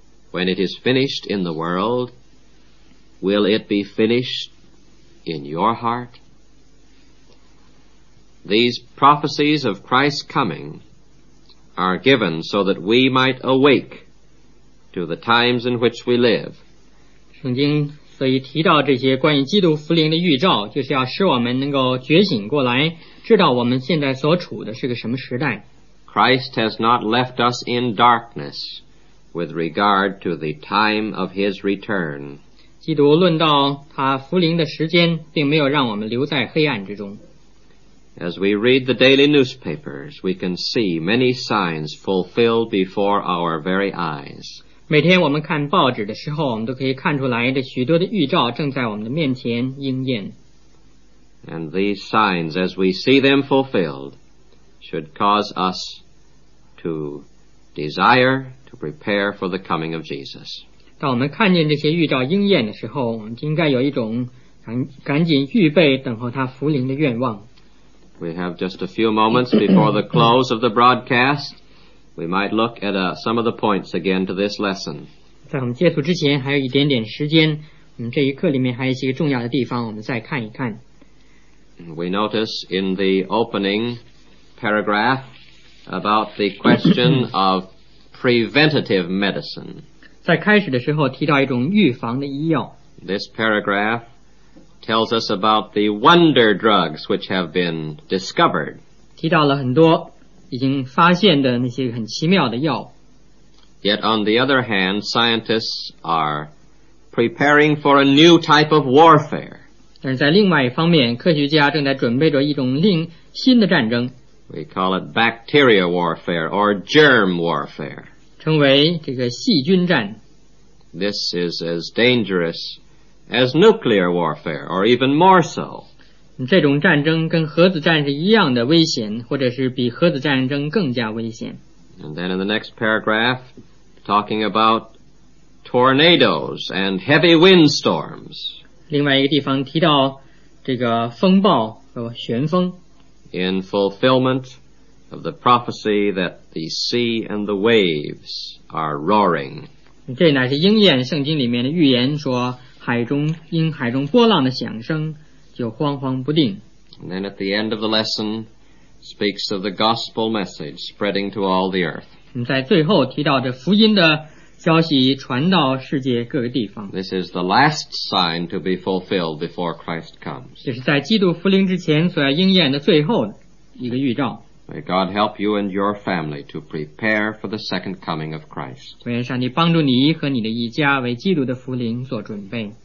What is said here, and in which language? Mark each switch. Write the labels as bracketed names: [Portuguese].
[English] When it is finished in the world, will it be finished in your heart? These prophecies of Christ's coming are given so that we might awake to the times in which we live. [Chinese] 圣经所以提到这些关于基督福临的预兆，就是要使我们能够觉醒过来，知道我们现在所处的是个什么时代。 [English] Christ has not left us in darkness with regard to the time of his return. [Chinese] 基督论到他福临的时间，并没有让我们留在黑暗之中。 [English] As we read the daily newspapers, we can see many signs fulfilled before our very eyes. [Chinese] 每天我们看报纸的时候，我们都可以看出来的许多的预兆正在我们的面前应验。 [English] And these signs, as we see them fulfilled, should cause us to desire to prepare for the coming of Jesus. [Chinese] 当我们看见这些预兆应验的时候，我们应该有一种赶紧预备等候他福临的愿望。 [English] We have just a few moments before the close of the broadcast. We might look at some of the points again to this lesson. [Chinese] 在我们结束之前还有一点点时间，这一课里面还有一些重要的地方我们再看一看。 [English] We notice in the opening paragraph about the question of preventative medicine. [Chinese] 在开始的时候提到一种预防的医药。 [English] This paragraph tells us about the wonder drugs which have been discovered. [Chinese] 提到了很多已经发现的那些很奇妙的药。 [English] Yet on the other hand, scientists are preparing for a new type of warfare. [Chinese] 但是在另外一方面，科学家正在准备着一种另新的战争。 [English] We call it bacteria warfare or germ warfare. [Chinese] 称为这个细菌战。 [English] This is as dangerous as nuclear warfare, or even more so. [Chinese] 这种战争跟核子战是一样的危险，或者是比核子战争更加危险。 [English] And then in the next paragraph, talking about tornadoes and heavy windstorms. [Chinese] 另外一个地方提到这个风暴和旋风。 [English] In fulfillment of the prophecy that the sea and the waves are roaring. [Chinese] 这乃是应验圣经里面的预言说海中因海中波浪的响声就慌慌不定。 [English] And then at the end of the lesson,speaks of the gospel message spreading to all the earth. [Chinese] 在最后提到这福音的消息传到世界各个地方。 [English] This is the last sign to be fulfilled before Christ comes. [Chinese] 这是在基督复临之前所要应验的最后一个预兆。 [English] May God help you and your family to prepare for the second coming of Christ. [Chinese] 愿上帝帮助你和你的一家为基督的复临做准备。